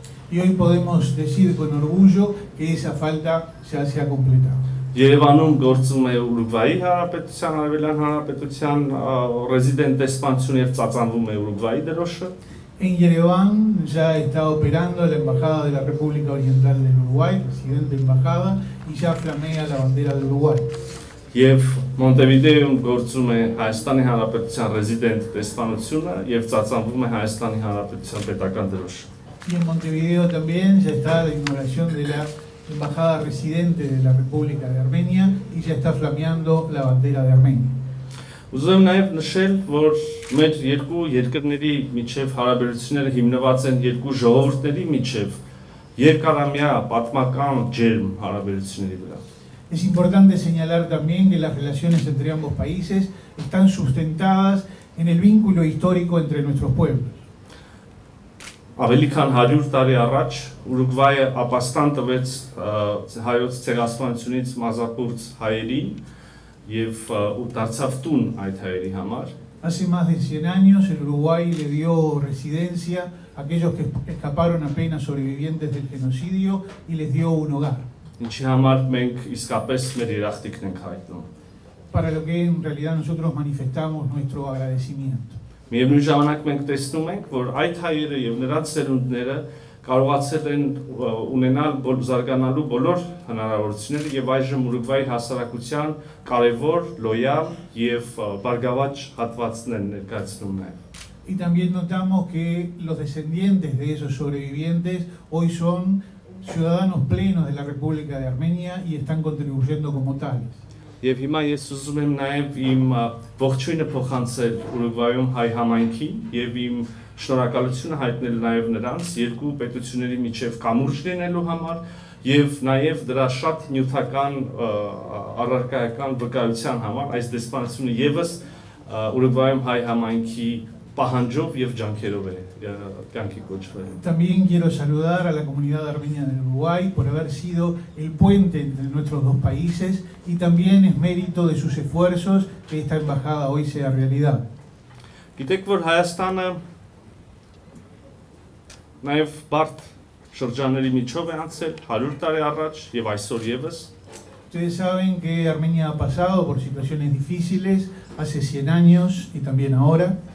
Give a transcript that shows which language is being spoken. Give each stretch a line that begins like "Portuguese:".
Spanish: Y hoy podemos decir con orgullo que esa falta ya se ha completado.
Armenian: Երևանում գործում է Ուրուգվայի Հանրապետության, Արևելյան Հանրապետության ռեզիդենտ դեսպանությունը եւ ծածանվում է Ուրուգվայի դրոշը։
Spanish: En Yerevan ya está operando la embajada de la República Oriental del Uruguay, presidente embajada, y ya flamea la bandera del Uruguay.
Armenian: Եվ Մոնտեվիդեոյում գործում է Հայաստանի Հանրապետության ռեզիդենտ դեսպանությունը եւ ծածանվում է Հայաստանի Հանրապետության պետական դրոշը։
Spanish: Y en Montevideo también ya está la inauguración de la embajada residente de la República de Armenia y ya está flameando la bandera de Armenia.
Armenian: Ուզում նաև նշել, որ մեր երկու երկրների միջև հարաբերությունները հիմնված են երկու ժողովրդների միջև երկարամյա պատմական ջերմ հարաբերությունների վրա։
Spanish: Es importante señalar también que las relaciones entre ambos países están sustentadas en el vínculo histórico entre nuestros pueblos.
Armenian: Ավելի քան 100 տարի առաջ Ուրուգվայը ապաստան տվեց հայոց ցեղասպանությունից մազապուրց հայերին եւ ու դարձավ տուն այդ հայերի համար։
Spanish: Hace más de 100 años el Uruguay le dio residencia a aquellos que escaparon apenas sobrevivientes del genocidio y les dio un hogar.
Armenian: Ինչի համար մենք իսկապես մեր երախտագիտ ենք հայտնում։
Spanish: Para lo que en realidad nosotros manifestamos nuestro agradecimiento.
Armenian: Միևնույն ժամանակ մենք տեսնում ենք, որ այդ հայերը եւ նրանց սերունդները կարողացել են ունենալ զարգանալու բոլոր հնարավորությունները եւ այժմ Ուրուգվայի հասարակության կարևոր, լոյալ եւ բարգավաճ հատվածն են ներկայացնում նաեւ։
Spanish: Y también notamos que los descendientes de esos sobrevivientes hoy son ciudadanos plenos de la República de Armenia y están contribuyendo como tales.
Armenian: Եվ հիմա ես ուզում եմ նաև իմ ողջույնը փոխանցել Ուրուգվայում հայ համայնքին եւ իմ շնորհակալությունը հայտնել նաև նրանց երկու պետությունների միջև կամուրջ լինելու համար եւ նաև դրա շատ նյութական առարկայական վկայության համար այս դեսպանությունը եւս Ուրուգվայում հայ համայնքի պահանջով եւ ջանքերով է կյանքի կոչվել։
Spanish: También quiero saludar a la comunidad armenia del Uruguay por haber sido el puente entre nuestros dos países y también es mérito de sus esfuerzos que esta embajada hoy sea realidad.
Armenian: Գիտեք, որ Հայաստանը նաեւ բարդ շրջանների միջով է անցել 100 տարի առաջ եւ այսօր եւս։
Spanish: Ustedes saben que Armenia ha pasado por situaciones difíciles hace 100 años y también ahora.